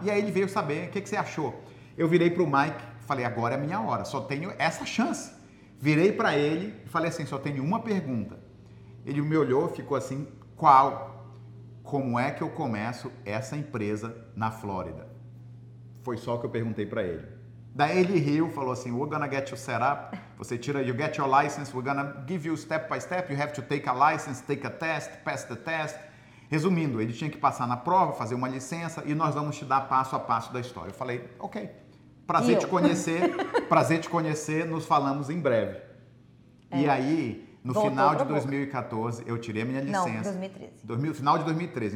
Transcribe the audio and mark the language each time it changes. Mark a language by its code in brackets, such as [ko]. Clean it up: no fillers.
[pt] E aí ele veio saber, o que você achou? Eu virei pro Mike... Falei, agora é a minha hora, só tenho essa chance. Virei para ele e falei assim, só tenho uma pergunta. Ele me olhou, ficou assim, qual? Como é que eu começo essa empresa na Flórida? Foi só o que eu perguntei para ele. Daí ele riu, falou assim, [en] we're gonna get you set up. [pt] Você tira, [en] you get your license, we're gonna give you step by step. You have to take a license, take a test, pass the test. [pt] Resumindo, ele tinha que passar na prova, fazer uma licença e nós vamos te dar passo a passo da história. Eu falei, ok. Prazer te conhecer, prazer te conhecer, nos falamos em breve. É. E aí, no final de 2014, eu tirei a minha licença. Não, 2013. Final de 2013.